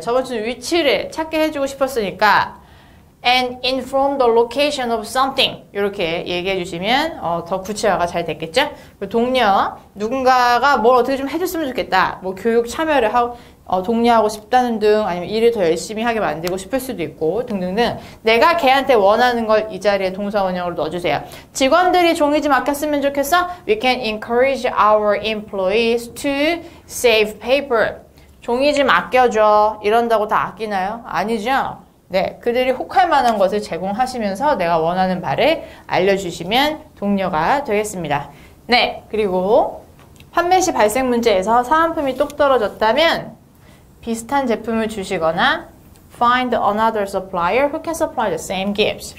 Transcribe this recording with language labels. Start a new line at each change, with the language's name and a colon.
Korean: 저번주는 위치를 찾게 해주고 싶었으니까
English: and inform the location of something
Korean: 이렇게 얘기해 주시면 더 구체화가 잘 됐겠죠. 동료, 누군가가 뭘 어떻게 좀 해줬으면 좋겠다. 뭐 교육 참여를 하고 독려하고 싶다는 등 아니면 일을 더 열심히 하게 만들고 싶을 수도 있고 등등등 내가 걔한테 원하는 걸이 자리에 동사원형으로 넣어주세요. 직원들이 종이지 맡겼으면 좋겠어?
English: We can encourage our employees to save paper.
Korean: 종이지 맡겨줘. 이런다고 다 아끼나요? 아니죠? 네, 그들이 혹할 만한 것을 제공하시면서 내가 원하는 바를 알려주시면 동료가 되겠습니다. 네, 그리고 판매 시 발생 문제에서 사은품이 똑 떨어졌다면 비슷한 제품을 주시거나
English: find another supplier who can supply the same gifts.